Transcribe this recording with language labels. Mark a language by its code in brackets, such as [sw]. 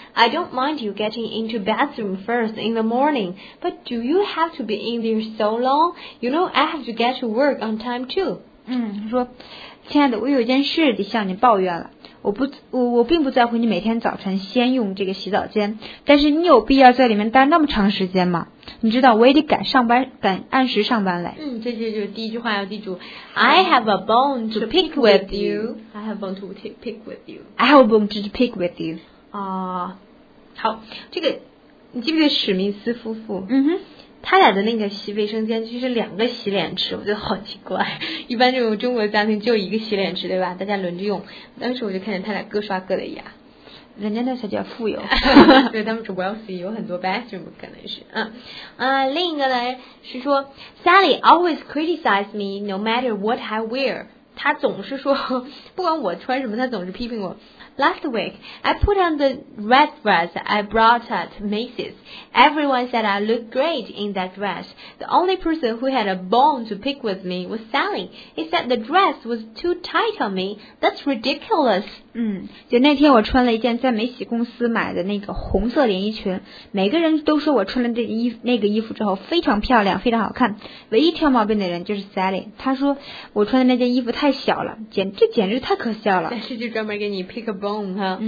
[en] I don't mind you getting into bathroom first in the morning, but do you have to be in there so long? You know I have to get to work on time too. [zh] 嗯，说，亲爱的，我有一件事得向你抱怨了。我并不在乎你每天早晨先用这个洗澡间，但是你有必要在里面待那么长时间吗？你知道我也得赶上班，赶按时上班来。嗯，这就是第一句话要记住。 [en] I have a bone to pick with you. I have a bone to pick with you. I have a bone to pick with you. [zh] 好，这个你记不记得史密斯夫妇？嗯哼。他俩的那个洗卫生间就是两个洗脸池，我觉得好奇怪。一般这种中国家庭就一个洗脸池，对吧？大家轮着用。当时我就看见他俩各刷各的牙，人家那才叫富有。对，他们是 wealthy， 有很多 bathroom 可能是。 [en] 另一个呢是说，Sally always criticizes me no matter what I wear。 [zh] 他总是说，不管我穿什么，他总是批评我。 [en] Last week, I put on the red dress I brought at Macy's. Everyone said I looked great in that dress. The only person who had a bone to pick with me was Sally. He said the dress was too tight on me. That's ridiculous. [zh] 嗯，就那天我穿了一件在梅西公司买的那个红色连衣裙，每个人都说我穿了那个衣服之后非常漂亮，非常好看。唯一挑毛病的人就是 Sally， 他说我穿的那件衣服太小了，这简直太可笑了。但是就专门给你 pick a bone 哈、